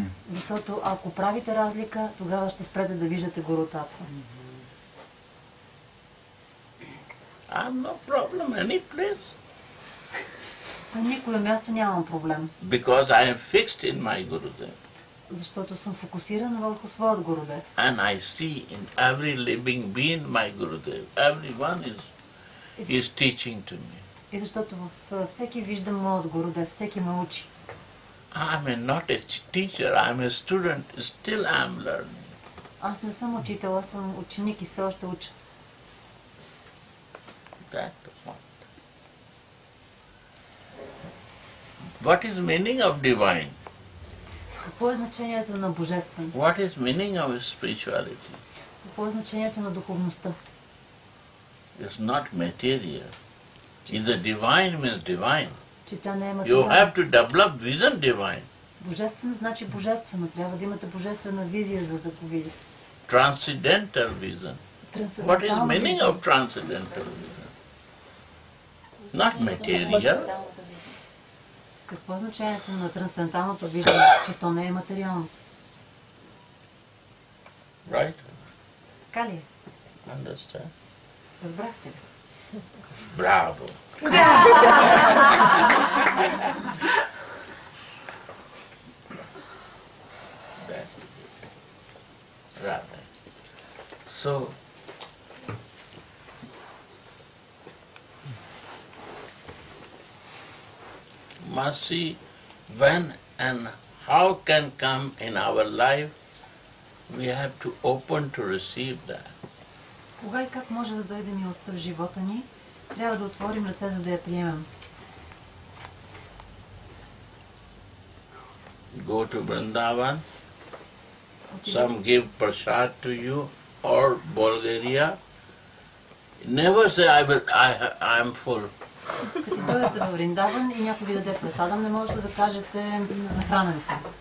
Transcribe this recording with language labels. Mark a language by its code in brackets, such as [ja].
[bg] Защото ако правите разлика, тогава ще спрете да виждате Гуру Татва. [en] I'm no problem any place. [bg] На никое място нямам проблем. [en] Because I am fixed in my Gurudev. [bg] Защото съм фокусиран върху своят Гурудев. [en] And I see in every living being my Gurudev. Everyone is teaching to me. [bg] И защото във всеки виждам моят Гурудев, всеки ме учи. [en] I am not a teacher, I am a student, still I am learning. [bg] Аз не съм учител, аз съм ученик и все още уча. [en] That point. What is meaning of divine? [bg] Какво е значението на божествен? [en] What is meaning of spirituality? [bg] Какво е значението на духовността? [en] is not material. If the divine means divine. [bg] Че тя не е материал. [en] You have to develop vision divine. [bg] Божествено значи божествено. Трябва да имате божествена визия, за да го видите. [en] Transcendental vision. What is the meaning of transcendental vision? Not material. [bg] Какво е значението на трансценденталното виждане, че то не е материално? [en] Right? [bg] Така ли е? [en] Understand. [bg] Разбрахте ли? Браво! [en] So, mercy, when and how can come in our life, we have to open to receive that. [bg] Кога и как може да дойде милостта в живота ни, трябва да отворим ръце, за да я приемем. [en] Go to Vrindavan, some give prasad to you, or Bulgaria, never say, I am full. [bg] Дойдете в Вриндаван и някой ви даде пресадам, не можете да кажете, нахранен съм.